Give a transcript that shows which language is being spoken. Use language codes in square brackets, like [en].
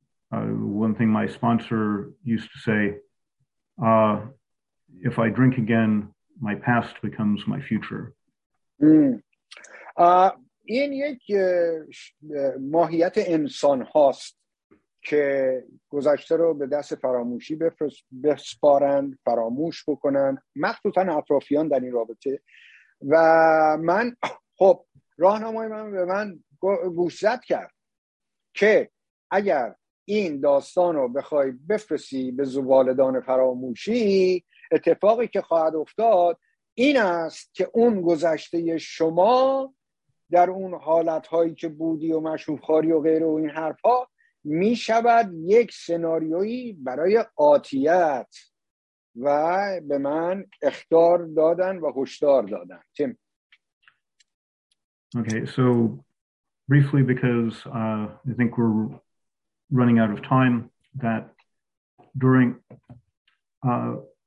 [en] one thing my sponsor used to say, if I drink again, my past becomes my future. [fa] این یک ماهیت انسان هاست که گذشته رو به دست فراموشی بسپارن، فراموش بکنن، مخصوصا اطرافیان در این رابطه. و من خب راهنمای من به من گوشزد کرد که اگر این داستان رو بخوای بفرسی به زوالدان فراموشی، اتفاقی که خواهد افتاد این است که اون گذشته شما در اون حالتهایی که بودی و مشروبخواری و غیر و این حرفا می شود یک سناریویی برای آتیت، و به من اخطار دادن و هشدار دادن. تیم. [en] Okay, so briefly, because I think we're running out of time, that during the